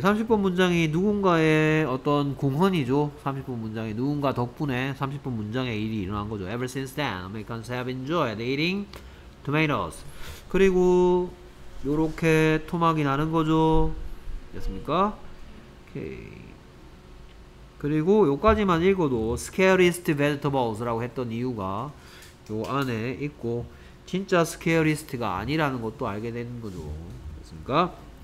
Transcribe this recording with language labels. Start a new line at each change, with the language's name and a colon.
Korean: 30번 문장이 누군가의 어떤 공헌이죠. 30번 문장이 누군가 덕분에 30번 문장의 일이 일어난 거죠.
English: Ever since then, Americans have enjoyed eating tomatoes.
Korean: 그리고 요렇게 토막이 나는 거죠. 됐습니까? 오케이. 그리고 요까지만 읽어도
English: scariest vegetables
Korean: 라고 했던 이유가 요 안에 있고 진짜 scariest가 아니라는 것도 알게 되는 거죠. 됐습니까?